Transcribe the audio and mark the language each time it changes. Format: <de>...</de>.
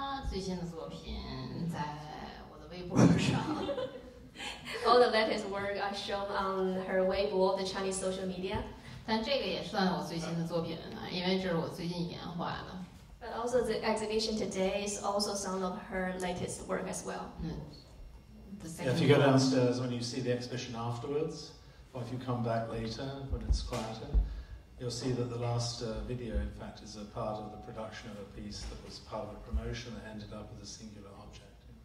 <zh>最新的作品在我的微博上。</zh> <en>All the latest work are shown on her Weibo, the Chinese social media.</en> <zh>但这个也算我最新的作品了，因为这是我最近研画的。</zh> <en>But also the exhibition today is also some of her latest work as well. If you go downstairs when you see the exhibition afterwards, or if you come back later when it's quieter. You'll see that the last video, in fact, is a part of the production of a piece that was part of a promotion that ended up with a singular object.</en>